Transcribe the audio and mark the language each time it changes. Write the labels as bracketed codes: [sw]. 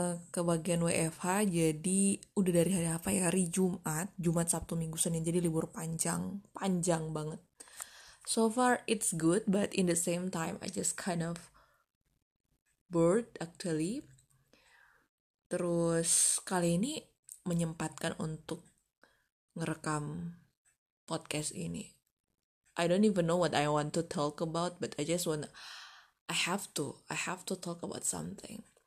[id] Kebagian WFH, jadi udah dari hari apa ya? Hari Jumat. Jumat, Sabtu, Minggu, Senin. Jadi libur panjang, panjang banget. [en] So far it's good, but in the same time I just kind of bored actually. [id] Terus kali ini menyempatkan untuk ngerekam podcast ini. [en] I don't even know what I want to talk about, but I have to talk about something.